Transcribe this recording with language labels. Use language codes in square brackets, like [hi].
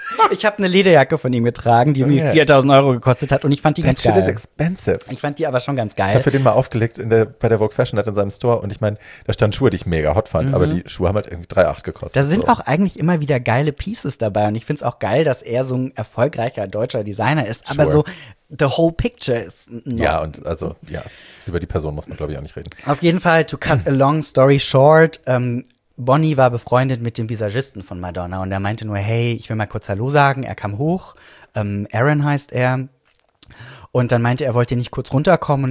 [de] Ich habe eine Lederjacke von ihm getragen, die irgendwie 4.000 Euro gekostet hat. Und ich fand die ganz geil. [en] That shit is expensive. [de] Ich fand die aber schon ganz geil. Ich habe für den mal aufgelegt bei der Vogue Fashion Night in seinem Store. Und ich meine, da standen Schuhe, die ich mega hot fand. Mhm. Aber die Schuhe haben halt irgendwie 3,8 gekostet. Da sind auch eigentlich immer wieder geile Pieces dabei. Und ich finde es auch geil, dass er so ein erfolgreicher deutscher Designer ist. Aber so [en] the whole picture is not. [de] Ja, und also, ja, über die Person muss man, glaube ich, auch nicht reden. Auf jeden Fall, [en] to cut a long story short, [de] Bonnie war befreundet mit dem Visagisten von Madonna und er meinte nur, hey, ich will mal kurz Hallo sagen. Er kam hoch, Aaron heißt er. Und dann meinte er, wollt ihr nicht kurz runterkommen?